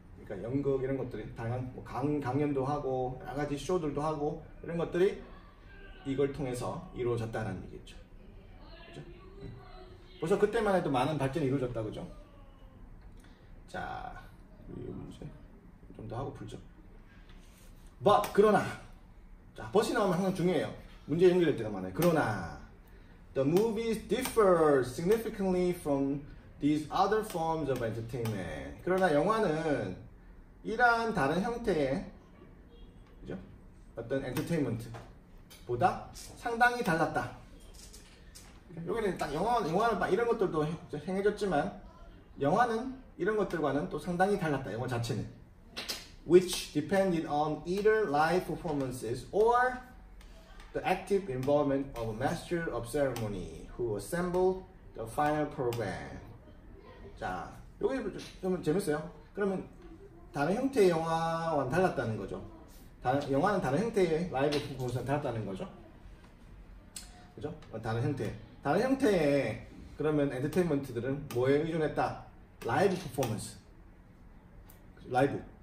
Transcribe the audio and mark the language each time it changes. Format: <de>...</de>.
<ko>그러니까 연극 이런 것들이 다양한 뭐 강연도 하고 여러 가지 쇼들도 하고 이런 것들이 이걸 통해서 이루어졌다는 얘기죠. 그죠? 벌써 그때만 해도 많은 발전이 이루어졌다, 그죠? 자, 이 문제 좀 더 하고 풀죠. But 그러나, 자, 버스 나오면 항상 중요해요. 문제 연결될 때가 많아요. 그러나</ko> <en>the movies differ significantly from these other forms of entertainment.</en> <ko>그러나 영화는 이러한 다른 형태의, 그죠? 어떤 엔터테인먼트보다 상당히 달랐다. 여기는 딱 영화는 막 이런 것들도 행해졌지만 영화는 이런 것들과는 또 상당히 달랐다. 영화 자체는.</ko> <en>Which depended on either live performances or the active involvement of a master of ceremony who assembled the final program.</en> <ko>자, 여기 좀 재밌어요. 그러면 다른 형태의 영화와는 달랐다는 거죠. 영화는 다른 형태의 라이브 퍼포먼스와는 달랐다는 거죠. 그죠? 다른 형태의 그러면 엔터테인먼트들은 뭐에 의존했다? 라이브 퍼포먼스. 라이브.</ko>